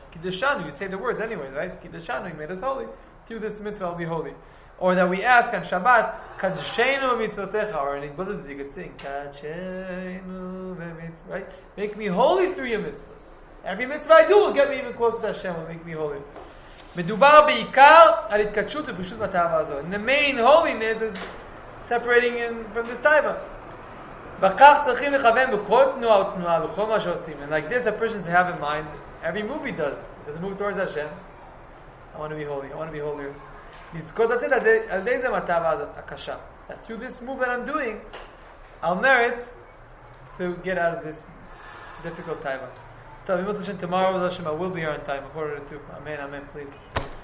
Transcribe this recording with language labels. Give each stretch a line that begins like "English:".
English: Kiddushanu, you say the words anyway, right? Kiddushanu, he made us holy. Through this mitzvah, I'll be holy. Or that we ask on Shabbat, Kaddushenu v'mitzvotecha, or in Igbodot, you could sing, Kaddushenu v'mitzvah, right? Make me holy through your mitzvahs. Every mitzvah I do will get me even closer to Hashem, will make me holy.
Hebrew: מדובר בעיקר על התקדשות ופשוט בתאווה הזו.
English: And the main holiness is separating in from this taiva.
Hebrew: בכך צריכים לכוון בכל תנועה ותנועה, בכל מה שעושים.
English: And like this, a person should have in mind, every move he does, does a move towards Hashem. I want to be holy, I want to be holier.
Hebrew: לזכות לצאת על ידי זה מהתאווה הזאת, הקשה.
English: That through this move that I'm doing, I'll merit to get out of this difficult taiva.
Hebrew: טוב, אם רוצה שם,
English: tomorrow, I will be here on time, 1:45. Amen, amen, please.